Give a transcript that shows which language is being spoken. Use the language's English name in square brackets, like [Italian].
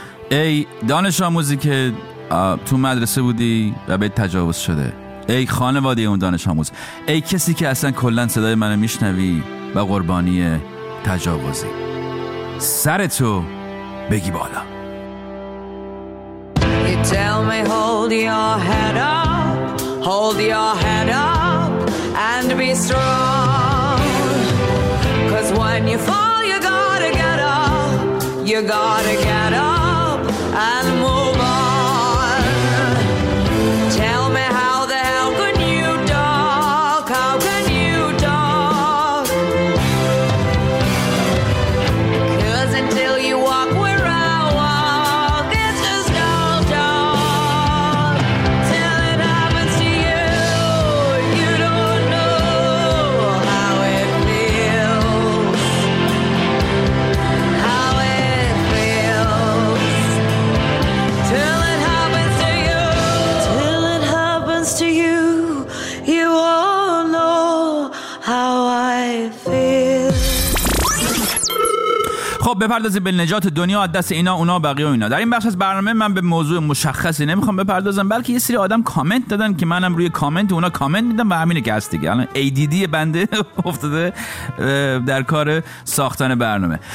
[Persian] ای دانش آموزی که تو مدرسه بودی و به تجاوز شده، ای خانواده اون دانش آموز، ای کسی که اصلا کلن صدای منو میشنوی و قربانی تجاوزی، سر تو بگی بالا. [English] You tell me hold your head up, hold your head up and be strong. 'Cause when you fall you gotta get up, you gotta get up and move on. Tell me how the hell can you talk, how can you talk? 'Cause until you walk where I walk, it's just all talk. Till it happens to you, you don't know how it feels, how it feels. Till it happens to you, till it happens to you, you won't know how I feel. [Persian] خب بپردازیم به نجات دنیا از دست اینا اونا بقیه و اینا. در این بخش از برنامه من به موضوع مشخصی نمیخوام بپردازم، بلکه یه سری آدم کامنت دادن که منم روی کامنت اونا کامنت میدم و همینه که هست دیگه. الان ADD بنده افتاده در کار ساختن برنامه.